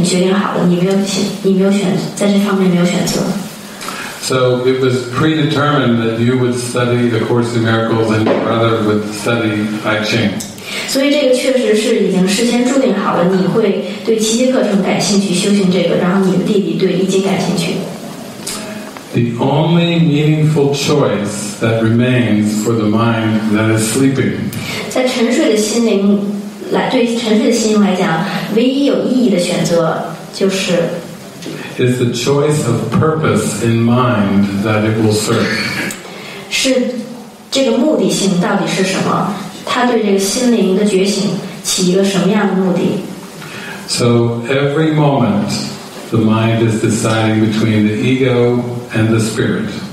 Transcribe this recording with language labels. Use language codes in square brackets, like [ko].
[zh] 他说就连是这个课程的所有的形式实际上也是事先已经决定好了，你没有选，在这方面没有选择。 [en] So it was predetermined that you would study the Course in Miracles and your brother would study I Ching. [zh] 所以这个确实是已经事先注定好了，你会对奇迹课程感兴趣，修行这个，然后你的弟弟对易经感兴趣。 [en] The only meaningful choice that remains for the mind that is sleeping. [zh] 在沉睡的心灵来讲，唯一有意义的选择就是 [en] is the choice of purpose in mind that it will serve. [zh] 是这个目的性到底是什么？它对这个心灵的觉醒起一个什么样的目的？ [en] So every moment the mind is deciding between the ego and the spirit.